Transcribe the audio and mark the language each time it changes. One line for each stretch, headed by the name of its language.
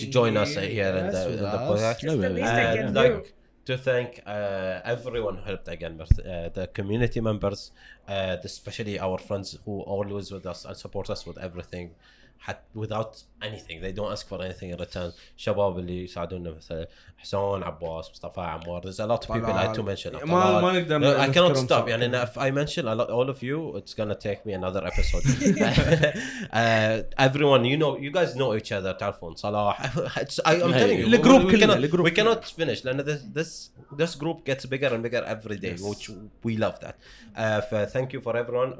English: to join here. Us here yes, in the podcast. No, the and I'd like to thank everyone who helped again, the community members, especially our friends who always with us and support us with everything. Without anything, they don't ask for anything in return.
Arabic: شباب اللي يساعدونا مثل حسون عباس مصطفى عمار.
English: There's a lot of people I had to mention. I cannot stop. يعني yani if I mention a lot, all of you, it's gonna take me another episode. everyone, you know, you guys know each other.
Arabic: تعرفون صلاح.
English: I'm telling you,
Arabic: الجروب
English: we cannot finish. لأن this group gets bigger and bigger every day, yes. which we love that. Thank you for everyone.